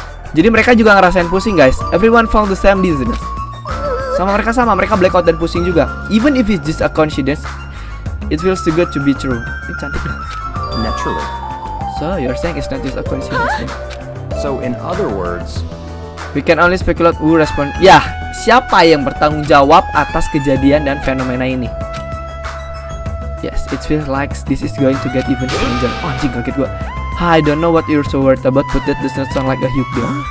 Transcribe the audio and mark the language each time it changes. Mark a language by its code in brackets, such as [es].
[id] Jadi mereka juga ngerasain pusing guys. [en] Everyone felt the same dizziness. [id] Sama mereka sama, mereka blackout dan pusing juga. [en] Even if it's just a coincidence, it feels too good to be true. [id] Ini cantik deh. [en] Naturally. So you're saying it's not just a coincidence? Huh? So in other words. We can only speculate who respond. [id] Yah, siapa yang bertanggung jawab atas kejadian dan fenomena ini? [en] Yes, it feels like this is going to get even stranger. [id] Anjing, kaget gua. [en] I don't know what you're so worried about, but that does not sound like a huge deal.